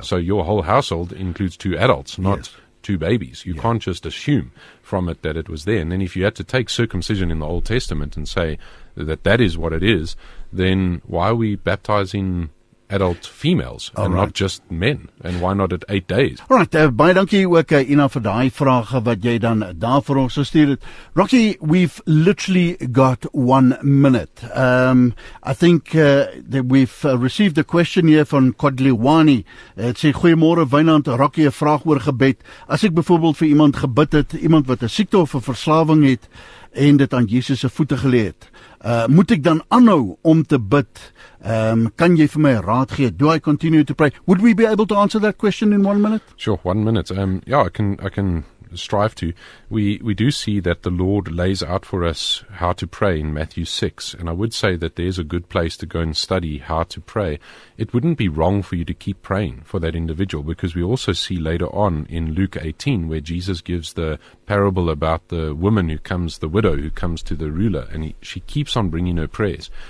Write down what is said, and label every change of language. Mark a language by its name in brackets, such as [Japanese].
[English] So your whole household includes two adults, not two babies. You can't just assume from it that it was there. And then if you had to take circumcision in the Old Testament and say that that is what it is, then why are we baptizing adult females not just men, and why not at 8 days? [Afrikaans] All right, baie dankie ook, Ina, vir daai vrae wat jy dan daar vir ons gestuur het. [English] Rocky, we've literally got 1 minute. I think that we've received a question here from Kodliwani. [Afrikaans] Het sê, goeiemorgen, Wynand, Rocky, een vraag oor gebed. As ek bijvoorbeeld vir iemand gebid het, iemand wat 'n siekte of 'n verslawing het, en dit aan Jesus se voete geleë het, moet ek dan aanhou om te bid? Kan jy vir my raad gee? [English] Do I continue to pray? Would we be able to answer that question in 1 minute? Sure, 1 minute. I can strive to. We do see that the Lord lays out for us how to pray in Matthew 6, and I would say that there's a good place to go and study how to pray. It wouldn't be wrong for you to keep praying for that individual, because we also see later on in Luke 18 where Jesus gives the parable about the woman who comes, the widow who comes to the ruler, and she keeps on bringing her prayers.